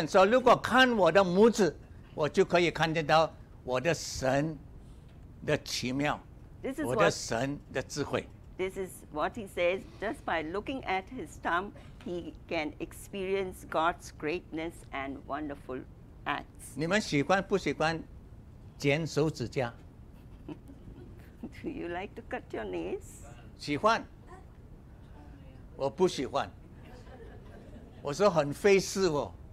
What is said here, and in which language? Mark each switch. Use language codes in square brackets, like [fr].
[zh] 所以Newton说,如果看我的拇指, 我就可以看见到我的神的奇妙, 我的神的智慧。 [en] This is what he says, just by looking at his thumb, he can experience God's greatness and wonderful. [zh] 你们喜欢不喜欢剪手指甲? [en] Do you like to cut your nails? [zh] 喜欢?我不喜欢。我说很费事哦。